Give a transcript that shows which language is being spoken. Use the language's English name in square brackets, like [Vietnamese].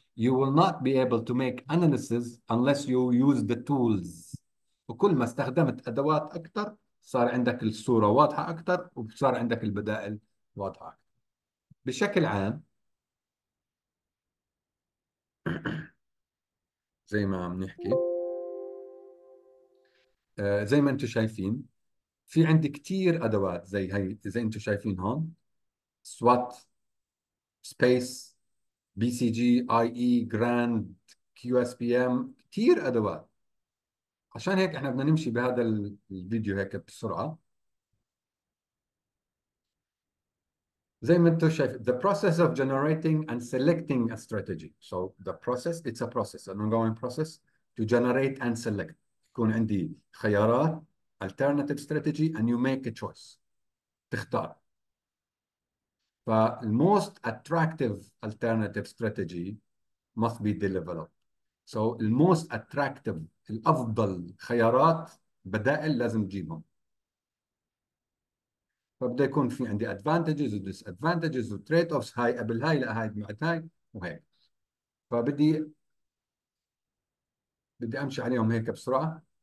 [English] You will not be able to make analysis unless you use the tools. [Arabic] وكل ما استخدمت ادوات اكثر صار عندك الصوره واضحه اكثر، وصار عندك البدائل واضحه اكثر. بشكل عام زي ما عم نحكي، زي ما انتم شايفين في عندي كتير ادوات زي هاي، زي انتم شايفين هون سوات، سبيس، بي سي جي، اي اي، جراند، كيو اس بي ام، كتير ادوات. عشان هيك احنا بدنا نمشي بهذا الفيديو هيك بسرعه. زي ما انتم شايف [English] the process of generating and selecting a strategy. So the process, it's a process, an ongoing process to generate and select. [Arabic] يكون عندي خيارات [English] alternative strategy and you make a choice. [Arabic] تختار. [English] فال most attractive alternative strategy must be developed. So the most attractive, [Arabic] الأفضل خيارات بدائل لازم تجيبهم. فبدأ يكون في عندي advantages و disadvantages و trade-offs، هاي قبل هاي، لا هاي بعد هاي، وهيك. فبدي أمشي عليهم هيك بسرعة.